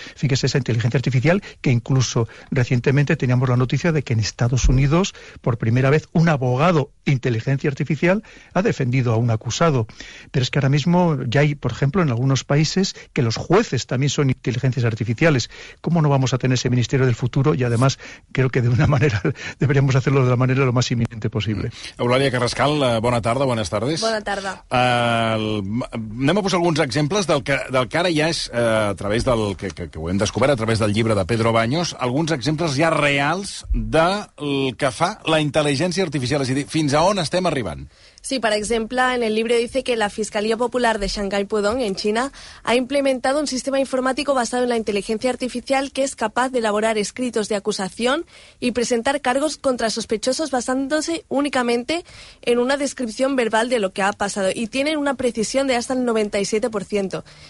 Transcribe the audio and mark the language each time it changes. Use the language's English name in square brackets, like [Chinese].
[Spanish] Fíjese, esa inteligencia artificial que incluso recientemente teníamos la noticia de que en Estados Unidos por primera vez un abogado de inteligencia artificial ha defendido a un acusado. Pero es que ahora mismo ya hay, por ejemplo, en algunos países que los jueces también son inteligencias artificiales. ¿Cómo no vamos a tener ese ministerio del futuro? Y además, creo que de una manera deberíamos hacerlo de la manera lo más inminente posible. [Catalan] Eulàlia Carrasco, Cal, bona tarda, bones tardes. Bona tarda. Anem a posar alguns exemples del que ara ja és, a través del que ho hem descobert, a través del llibre de Pedro Baños, alguns exemples ja reals del que fa la intel·ligència artificial, és a dir, fins a on estem arribant. Sí, per exemple, en el llibre [Spanish] dice que la Fiscalia Popular de Shanghai Pudong, en China, ha implementado un sistema informático basado en la inteligencia artificial que es capaz de elaborar escritos de acusación y presentar cargos contra sospechosos basándose únicamente en una descripción verbal de lo que ha pasado y tienen una precisión de hasta el 97%.